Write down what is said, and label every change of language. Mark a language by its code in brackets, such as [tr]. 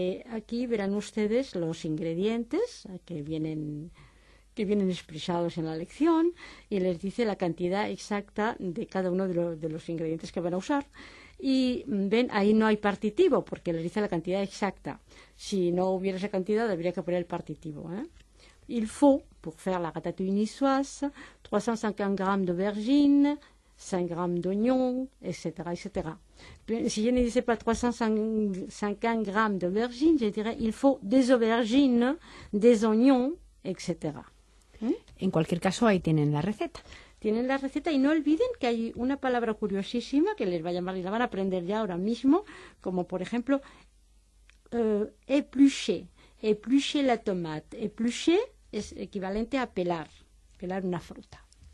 [es] Aquí verán ustedes los ingredientes que vienen expresados en la lección y les dice la cantidad exacta de cada uno de los ingredientes que van a usar. Y ven, ahí no hay partitivo porque les dice la cantidad exacta. Si no hubiera esa cantidad, habría que poner el partitivo. [fr] Il faut, pour faire la ratatouille niçoise, 350 g d'aubergine, 5 g d'oignon, etcétera, etcétera. Si je ne disais pas 350 g d'aubergine, je dirais il faut des aubergines, des oignons, etcétera. [es] En cualquier caso, ahí tienen la receta. Tienen la receta y no olviden que hay una palabra curiosísima que les va a llamar y la van a aprender ya ahora mismo, como por ejemplo, [fr] éplucher la tomate. [es] Éplucher es equivalente a pelar una fruta.